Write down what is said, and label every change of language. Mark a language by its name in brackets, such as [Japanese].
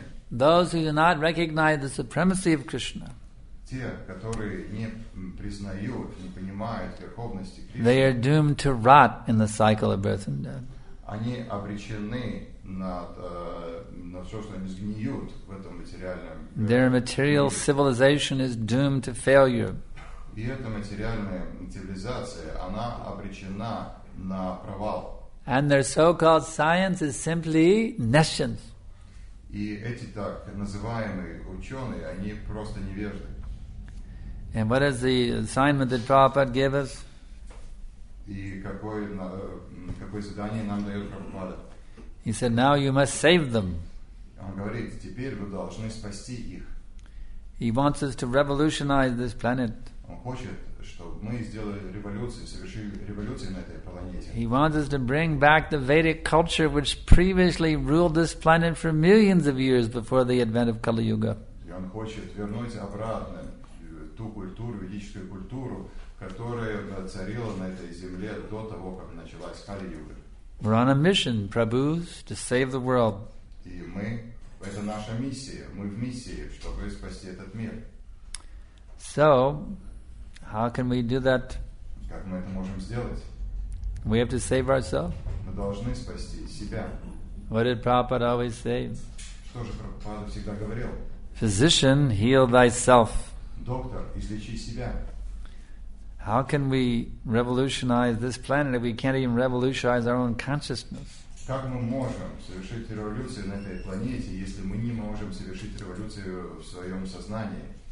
[English] Those who do not recognize the supremacy of Krishna, they are doomed to rot in the cycle of birth and death. [Russian] Они обречены на все, что они сгниют в этом материальном мире. [English] Their material civilization is doomed to failure. [Russian] И эта материальная цивилизация, она обречена на провал. [English] And their so-called science is simply nescience. [Russian] И эти так называемые ученые, они просто невежды. [English] And what is the assignment that Prabhupada gave us? [Russian] И какое задание нам дает Прабхупада? [English] He said, now you must save them. [Russian] Он говорит, теперь вы должны спасти их. [English] He wants us to revolutionize this planet. [Russian] Он хочет, чтобы мы сделали революцию, совершили революцию на этой планете. [English] He wants us to bring back the Vedic culture which previously ruled this planet for millions of years before the advent of Kali-Yuga. [Russian] И он хочет вернуть обратно ту культуру, ведическую культуру, которая царила на этой земле до того, как началась Кали-Юга. [English] We're on a mission, Prabhus, to save the world. [Russian] И мы, это наша миссия, мы в миссии, чтобы спасти этот мир. [English] So, how can we do that? [Russian] Как мы это можем сделать? [English] We have to save ourselves. [Russian] Мы должны спасти себя. [English] What did Prabhupada always say? [Russian] Что же Прабхупада всегда говорил? [English] Physician, heal thyself. [Russian] Доктор, излечи себя. [English] How can we revolutionize this planet if we can't even revolutionize our own consciousness? [Russian] Как мы можем совершить революцию на этой планете, если мы не можем совершить революцию в своем сознании?